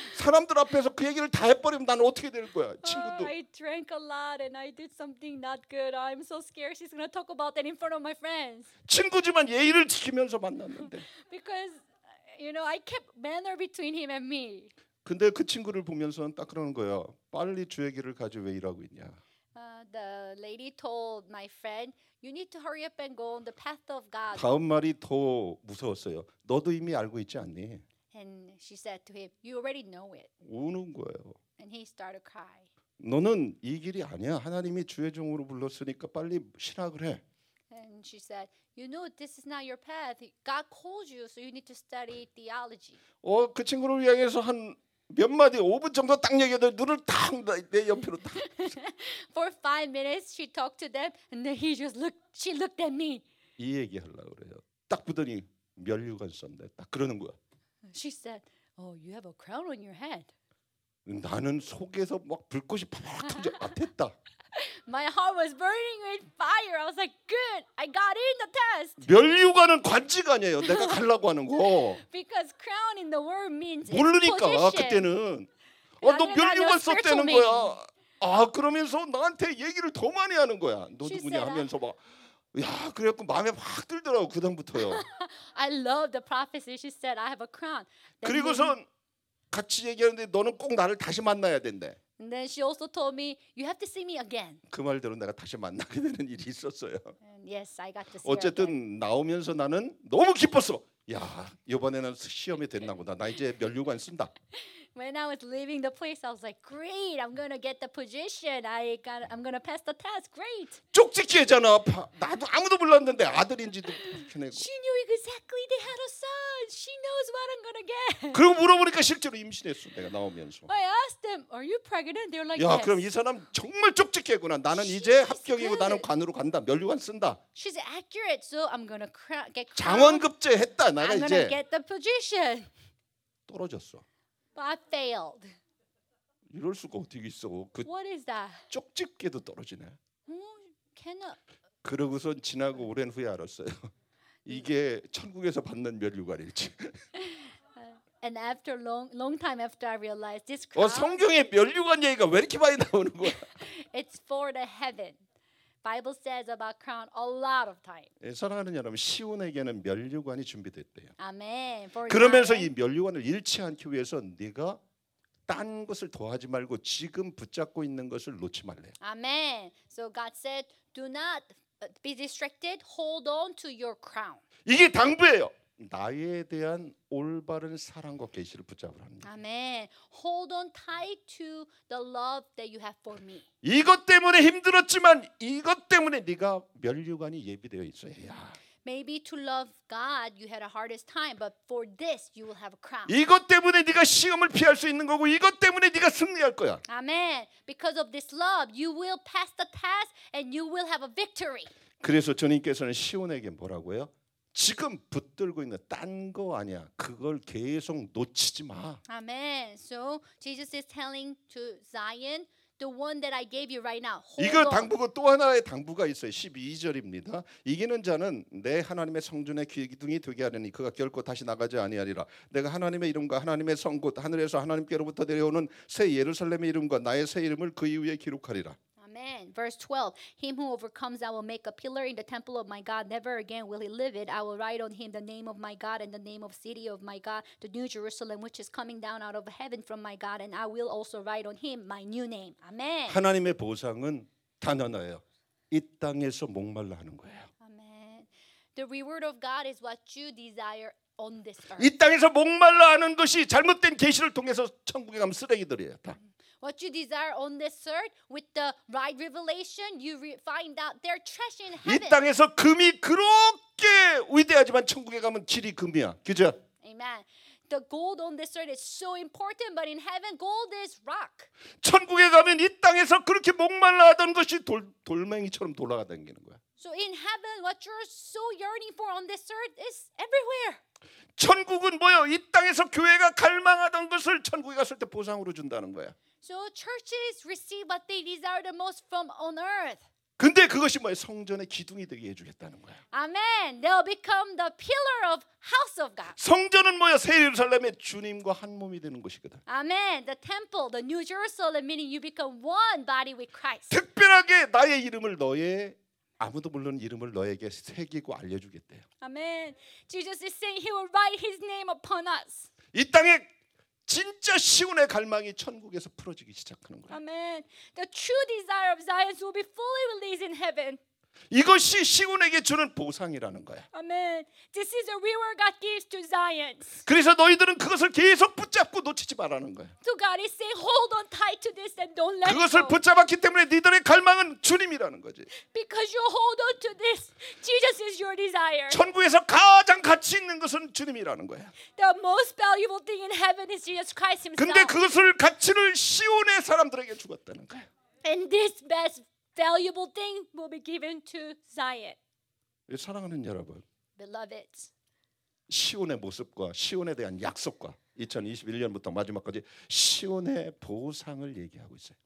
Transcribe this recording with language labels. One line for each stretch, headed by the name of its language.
Korean: 사람들 앞에서 그 얘기를 다 해버리면 나는 어떻게 될 거야? 친구도.
English: I drank a lot and I did something not good. I'm so scared she's gonna talk about that in front of my friends.
Korean: 친구지만 예의를 지키면서 만났는데.
English: Because you know I kept manner between him and me.
Korean: 근데 그 친구를 보면서는 딱 그러는 거예요. 빨리 주의 길을 가지 왜 이러고 있냐.
English: The lady told my friend, "You need to hurry up and go on the path of God."
Korean: 다음 말이 더 무서웠어요. 너도 이미 알고 있지 않니?
English: And she said to him, "You already know it."
Korean: 우는 거예요.
English: And he started to cry.
Korean: 너는 이 길이 아니야. 하나님이 주의 종으로 불렀으니까 빨리 신학을 해.
English: And she said, "You know this is not your path. God called you, so you need to study theology."
Korean: 그 친구를 향해서 한 몇 마디 5분 정도 딱 얘기해도 눈을 딱 내 옆으로 딱.
English: For 5 minutes she talked to them and then she looked at me.
Korean: 이 얘기 하려고 그래요. 딱 보더니 면류관 썼네. 딱 그러는 거야.
English: She said, "Oh, you have a crown on your head."
Korean: 나는 속에서 막 불꽃이 팍 터져 됐다.
English: My heart was burning with fire. I was like, "Good, I got in the test."
Korean: 면류관은 관직 아니에요. 내가 가려고 하는 거.
English: Because crown in the word means
Korean: 모르니까
English: position.
Korean: 그때는 너 면류관 썼다는 거야. 아 그러면서 나한테 얘기를 더 많이 하는 거야. 너
English: She
Korean: 누구냐
English: said,
Korean: 하면서 막. 야, 그래갖고 마음에 확 들더라고 그 다음부터요.
English: I love the prophecy. She said, "I have a crown."
Korean: 그리고선 같이 얘기하는데 너는 꼭 나를 다시 만나야 된대.
English: And then she also told me, "You have to see me again."
Korean: 그 말대로 내가 다시 만나게 되는 일이 있었어요.
English: And yes, I got to see her.
Korean: 어쨌든
English: again.
Korean: 나오면서 나는 너무 기뻤어. 야, 이번에는 시험이 됐나보다. 나 이제 면류관 쓴다.
English: When I was leaving the place, I was like, "Great, I'm gonna get the position. I'm gonna pass the test. Great."
Korean: 쪽지기잖아. 나도 아무도 몰랐는데 아들인지도 밝혀내고.
English: She knew exactly they had a son. She knows what I'm gonna get.
Korean: 그리고 물어보니까 실제로 임신했어. 내가 나오면서.
English: I asked them, "Are you pregnant?" They were like,
Korean: 야,
English: "Yes."
Korean: 야, 그럼 이 사람 정말 쪽지기구나. 나는
English: She's
Korean: 이제 합격이고 good. 나는 관으로 간다. 면류관 쓴다.
English: She's accurate, so I'm gonna get.
Korean: 장원급제 했다. 내가 이제.
English: I'm gonna get the position.
Korean: 떨어졌어.
English: But I failed.
Korean: 이럴 수가 어떻게 있어? 그
English: What is that?
Korean: 쪽집게도 떨어지네.
English: Cannot.
Korean: 그러고선 지나고 오랜 후에 알았어요. 이게 천국에서 받는 면류관일지.
English: And after long time after I realized this.
Korean: 성경에 면류관 얘기가 왜 이렇게 많이 나오는 거야?
English: It's for the heaven. Bible says about crown a lot of times.
Korean: 예, 사랑하는 여러분, 시온에게는 면류관이 준비됐대요. 아멘. 그러면서 이 면류관을 잃지 않기 위해서 네가 딴 것을 더하지 말고 지금 붙잡고 있는 것을 놓지 말래.
English: 아멘. So God said, "Do not be distracted. Hold on to your crown."
Korean: 이게 당부예요. 나에 대한 올바른 사랑과 계시를 붙잡으라는.
English: Amen. Hold on tight to the love that you have for me.
Korean: 이것 때문에 힘들었지만 이것 때문에 네가 면류관이 예비되어 있어야 해.
English: Maybe to love God you had a hardest time, but for this you will have a crown.
Korean: 이것 때문에 네가 시험을 피할 수 있는 거고 이것 때문에 네가 승리할 거야.
English: Amen. Because of this love, you will pass the test and you will have a victory.
Korean: 그래서 주님께서는 시온에게 뭐라고요? 지금 붙들고 있는 딴 거 아니야. 그걸 계속 놓치지 마.
English: Amen. So Jesus is telling to Zion, the one that I gave you right now.
Korean: 이걸 당부고 또 하나의 당부가 있어요. 12절입니다. 이기는 자는 내 하나님의 성전의 기둥이 되게 하리니 그가 결코 다시 나가지 아니하리라. 내가 하나님의 이름과 하나님의 성곳 하늘에서 하나님께로부터 내려오는 새 예루살렘의 이름과 나의 새 이름을 그 이후에 기록하리라.
English: Amen. Verse 12. Him who overcomes, I will make a pillar in the temple of my God. Never again will he live it. I will write on him the name of my God and the name of city of my God, the new Jerusalem, which is coming down out of heaven from my God. And I will also write on him my new name. Amen.
Korean: 하나님의 보상은 단언어예요. 이 땅에서 목말라 하는 거예요.
English: Amen. The reward of God is what you desire on this earth.
Korean: 이 땅에서 목말라 하는 것이 잘못된 계시를 통해서 천국에 가면 쓰레기들이에요. 다.
English: What you desire on this earth with the right revelation, you find out their treasure in heaven.
Korean: 이 땅에서 금이 그렇게 위대하지만 천국에 가면 질이 금이야. 그죠?
English: Amen. The gold on this earth is so important, but in heaven, gold is rock.
Korean: 천국에 가면 이 땅에서 그렇게 목말라하던 것이 돌멩이처럼 돌아다니는 거야.
English: So in heaven, what you're so yearning for on this earth is everywhere.
Korean: 천국은 뭐요? 이 땅에서 교회가 갈망하던 것을 천국에 갔을 때 보상으로 준다는 거야.
English: So churches receive what they desire the most from on earth.
Korean: 근데 그것이 뭐예요? 성전의 기둥이 되게 해주겠다는 거야.
English: Amen. They'll become the pillar of house of God.
Korean: 성전은 뭐예요? 새 예루살렘의 주님과 한 몸이 되는 것이거든.
English: Amen. The temple, the new Jerusalem, meaning you become one body with Christ.
Korean: 특별하게 나의 이름을 너의 아무도 모르는 이름을 너에게 새기고 알려주겠대요.
English: Amen. Jesus is saying he will write his name upon us.
Korean: 이 땅에 진짜 시온의 갈망이 천국에서 풀어지기 시작하는 거야.
English: Amen. The true desire of Zion will be fully released in heaven.
Korean: 이것이 시온에게 주는 보상이라는 거야.
English: Amen. This is a reward God gives to Zion.
Korean: 그래서 너희들은 그것을 계속 붙잡고 놓치지 말라는 거야.
English: So God is saying, hold on tight to this and don't let go.
Korean: 그것을 붙잡았기 때문에 너희들의 갈망은 주님이라는 거지.
English: Because you hold on to this, Jesus is your desire.
Korean: 천국에서 가장 가치 있는 것은 주님이라는 거야.
English: The most valuable thing in heaven is Jesus Christ Himself.
Korean: 근데 그것을 가치를 시온의 사람들에게 주었다는 거야.
English: And this best valuable thing will be given to Zion.
Korean: 사랑하는 여러분.
English: Beloved.
Korean: 시온의 모습과 시온에 대한 약속과 2021년부터 마지막까지 시온의 보상을 얘기하고 있어요.